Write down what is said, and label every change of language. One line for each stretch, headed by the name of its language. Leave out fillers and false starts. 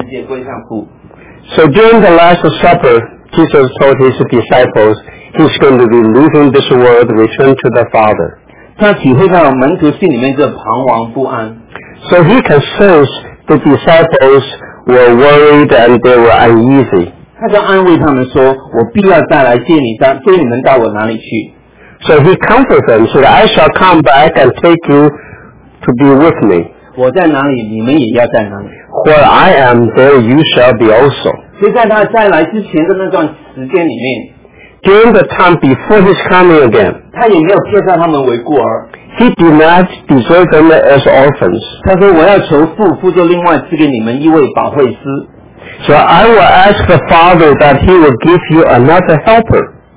English: So during the Last Supper, Jesus told his disciples he's going to be leaving this world, return to the Father. So he can sense the disciples were worried and they were uneasy.
Chinese: 他就安慰他们说，我必要再来接你们到我哪里去。
English: So he comforts them, said, I shall come back and take you to be with me.
Chinese: 我在哪里，你们也要在哪里。
English: Where I am, there you shall be also.
Chinese: 就在他再来之前的那段时间里面，
English: During the time before his coming again,
Chinese: 他也没有介绍他们为孤儿。
English: He did not deserve them as orphans.
Chinese: 他说，我要求父，父就另外赐给你们一位保惠师。
English: So I will ask the Father that he will give you another helper.